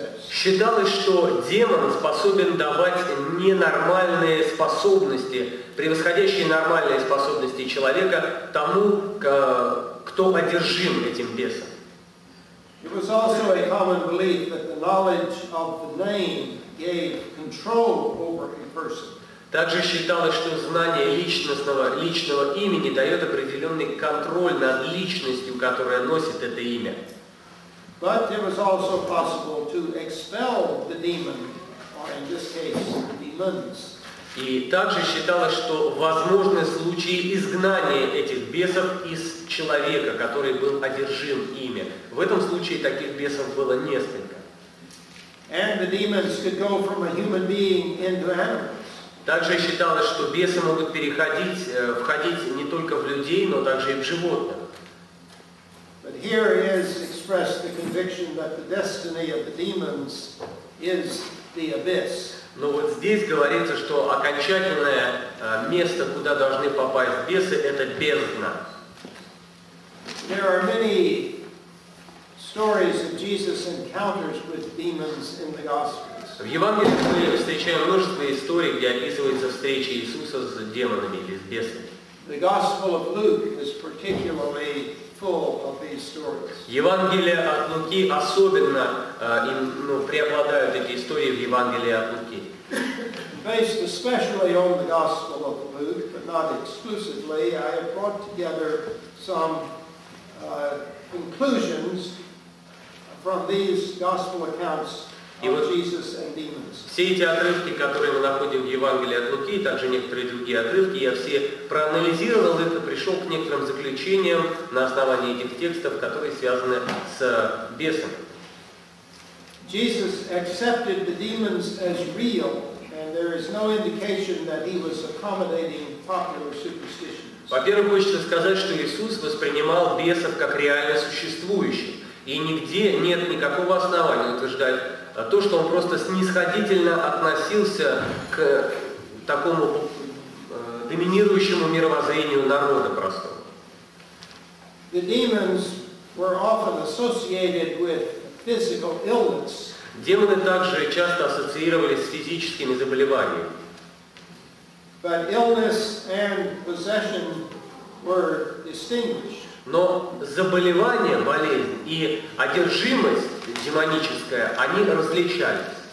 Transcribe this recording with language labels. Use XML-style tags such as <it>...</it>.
<ru>Считалось, что демон способен давать ненормальные способности, превосходящие нормальные способности человека тому, кто одержим этим бесом.</ru> <en>It was also a common belief that the knowledge of the name gave control over a person.</en> <ru>Также считалось, что знание личного имени дает определенный контроль над личностью, которая носит это имя.</ru> <en>But it was also possible to expel the demon, or in this case, demons.</en> <ru>И также считалось, что возможны случаи изгнания этих бесов из человека, который был одержим ими. В этом случае таких бесов было несколько.</ru> <en>And the demons could go from a human being into animals.</en> <ru>Также считалось, что бесы могут входить не только в людей, но также и в животных.</ru> <en>But here is expressed the conviction that the destiny of the demons is the abyss.</en> <ru>Но вот здесь говорится, что окончательное место, куда должны попасть бесы, это бездна.</ru> <en>There are many stories of Jesus' encounters with demons in the Gospels.</en> <ru>В Евангелии мы встречаем множество историй, где описывается встреча Иисуса с демонами или с бесами.</ru> <en>The Gospel of Luke is particularly full of these stories.</en> <ru>Евангелие от Луки особенно преобладают эти истории в Евангелии от Луки.</ru> <en>Based especially on the Gospel of Luke, but not exclusively, I have brought together some conclusions from these Gospel accounts.</en> <ru>И вот</ru> <en>Jesus and demons.</en> <ru>Все эти отрывки, которые мы находим в Евангелии от Луки, и также некоторые другие отрывки, я все проанализировал и пришел к некоторым заключениям на основании этих текстов, которые связаны с бесом.</ru> <en>Jesus accepted the demons as real, and there is no indication that he was accommodating popular superstitions.</en> <ru>Во-первых, хочется сказать, что Иисус воспринимал бесов как реально существующих, и нигде нет никакого основания утверждать то, что он просто снисходительно относился к такому доминирующему мировоззрению народа простого.</ru> <en>The demons were often associated with physical illness.</en> <ru>Демоны также часто ассоциировались с физическими заболеваниями.</ru> <en>But illness and possession were distinguished.</en> <ru>Но заболевание, болезнь и одержимость демоническое, они различались.</ru>